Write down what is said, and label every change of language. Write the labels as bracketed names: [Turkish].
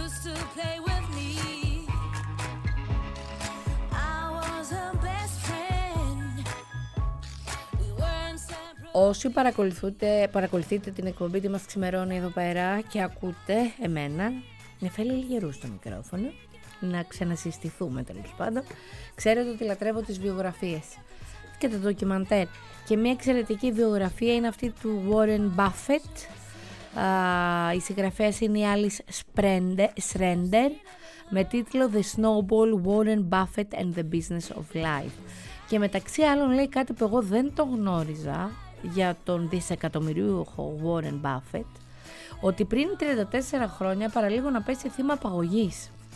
[English] To play with me, I was her best friend. We weren't separate. [Greek] Όσοι παρακολουθείτε την εκπομπή, τι μας ξημερώνει εδώ πέρα και ακούτε εμένα, Νεφέλη Λιγερού στο μικρόφωνο, να ξανασυστηθούμε τέλος πάντων, ξέρετε ότι λατρεύω τις βιογραφίες και τα ντοκιμαντέρ. Και μια εξαιρετική βιογραφία είναι αυτή του Warren Buffett. Η συγγραφέας είναι η Alice Schrender με τίτλο The Snowball, Warren Buffett and the Business of Life. Και μεταξύ άλλων λέει κάτι που εγώ δεν το γνώριζα για τον δισεκατομμυριούχο Warren Buffett, ότι πριν 34 χρόνια παραλίγο να πέσει θύμα απαγωγής.